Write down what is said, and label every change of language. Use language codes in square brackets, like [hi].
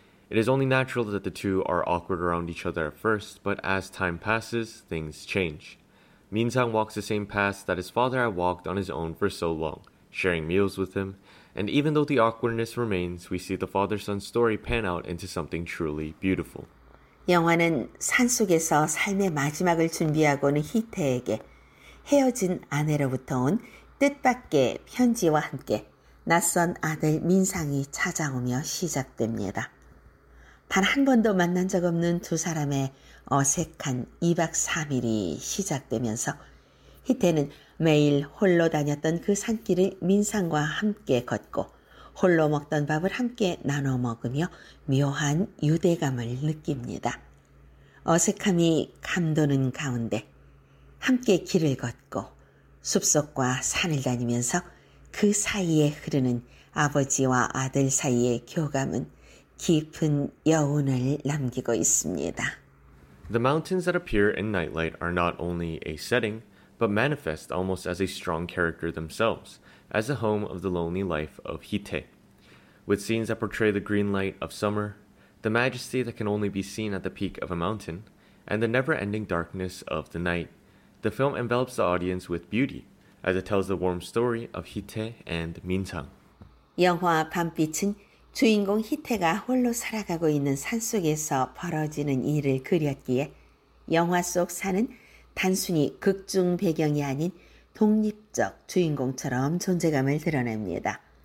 [en] It is only natural that the two are awkward around each other at first, but as time passes, things change. Min-sang walks the same path that his father had walked on his own for so long, sharing meals with him, And even though the awkwardness remains, we see the father-son story pan out into something truly beautiful. [ko] 영화는 산 속에서 삶의 마지막을 준비하고 있는 히테에게 헤어진 아내로부터 온 뜻밖의 편지와 함께 낯선 아들 민상이 찾아오며 시작됩니다. 단 한 번도 만난 적 없는 두 사람의 어색한 2박 3일이 시작되면서 히테는 매일 홀로 다녔던 그 산길을 민상과 함께 걷고 홀로 먹던 밥을 함께 나눠 먹으며 묘한 유대감을 느낍니다. 어색함이 감도는 가운데 함께 길을 걷고 숲속과 산을 다니면서 그 사이에 흐르는 아버지와 아들 사이의 교감은 깊은 여운을 남기고 있습니다. [en] The mountains that appear in Nightlight are not only a setting, but manifest almost as a strong character themselves, as the home of the lonely life of Hite. With scenes that portray the green light of summer, the majesty that can only be seen at the peak of a mountain, and the never-ending darkness of the night, the film envelops the audience with beauty, as it tells the warm story of Hite and Minsang. [ko] 영화 밤빛은 주인공 히테가 홀로 살아가고 있는 산 속에서 벌어지는 일을 그렸기에 영화 속 산은 단순히 극중 배경이 아닌 독립적 주인공처럼 존재감을 드러냅니다.